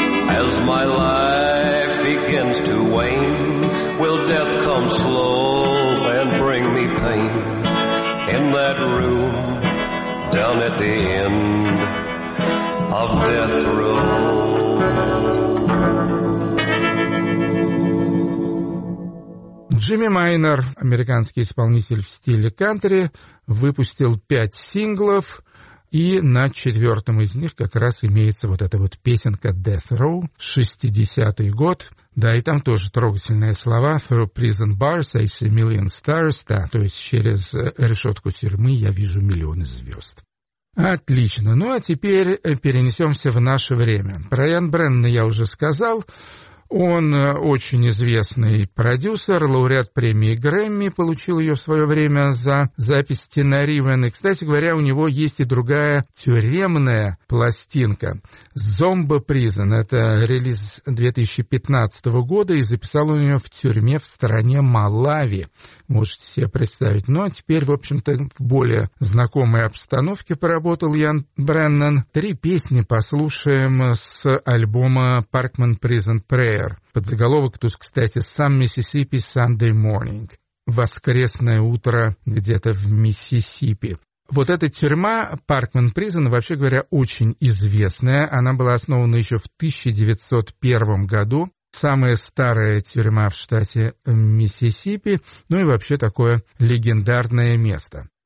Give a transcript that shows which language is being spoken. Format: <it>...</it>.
<en>As my life begins to wane, will death come slow and bring me pain in that room down at the end of death row?</en> <ru>Джимми Майнер, американский исполнитель в стиле кантри, выпустил 5 синглов, и на четвертом из них как раз имеется вот эта вот песенка «Death Row», 60-й год. Да, и там тоже трогательные слова</ru> <en>«Through prison bars I see a million stars»,</en> <ru>да, то есть «Через решетку тюрьмы я вижу миллионы звезд». Отлично. Ну, а теперь перенесемся в наше время. Про Ян Бренна я уже сказал. Он очень известный продюсер, лауреат премии Грэмми, получил ее в свое время за запись «Тина Ривен». И, кстати говоря, у него есть и другая тюремная пластинка «Зомбо Призон». Это релиз 2015 года, и записал он ее в тюрьме в стране Малави. Можете себе представить. Ну, а теперь, в общем-то, в более знакомой обстановке поработал Ян Бреннан. Три песни послушаем с альбома «Parkman Prison Prayer». Подзаголовок тут, кстати, «Some Mississippi Sunday Morning». «Воскресное утро где-то в Миссисипи». Вот эта тюрьма, Parkman Prison, вообще говоря, очень известная. Она была основана еще в 1901 году. Самая старая тюрьма в штате Миссисипи, ну и вообще такое легендарное место.</ru>